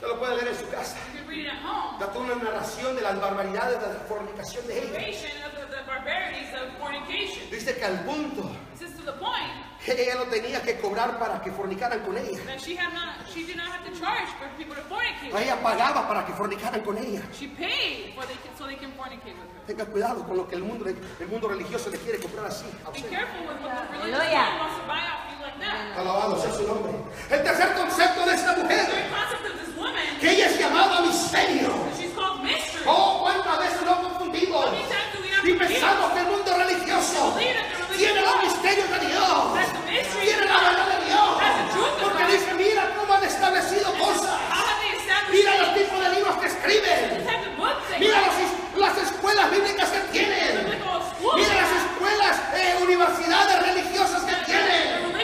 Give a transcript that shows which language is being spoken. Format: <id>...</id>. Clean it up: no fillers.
<es>Usted lo puede leer en su casa.</es> <en>You can read it at home.</en> <es>Da toda una narración de las barbaridades de la fornicación de ella.</es> <en>Narration of the barbarities of fornication.</en> <es>Dice que al punto.</es> <en>It says to the point.</en> <es>Que ella no tenía que cobrar para que fornicaran con ella.</es> <en>That she did not have to charge for people to fornicate.</en> <es>Ella pagaba para que fornicaran con ella.</es> <en>She paid so they can fornicate with her.</en> <es>Tenga cuidado con lo que el mundo religioso le quiere comprar así.</es> <en>Be careful with what the religious world wants to buy off.</en> <es>No. Alabado sea su nombre. El tercer concepto de esta mujer,</es> <en>woman,</en> <es>que ella es llamada misterio.</es> <en>She's,</en> <es>oh, cuántas veces nos confundimos y pensamos que el mundo religioso tiene los misterios de Dios, tiene la verdad de Dios, porque dice, mira cómo han establecido cosas, mira los tipos de libros que escriben, mira las escuelas bíblicas que tienen, mira las escuelas universidades religiosas que tienen.</es>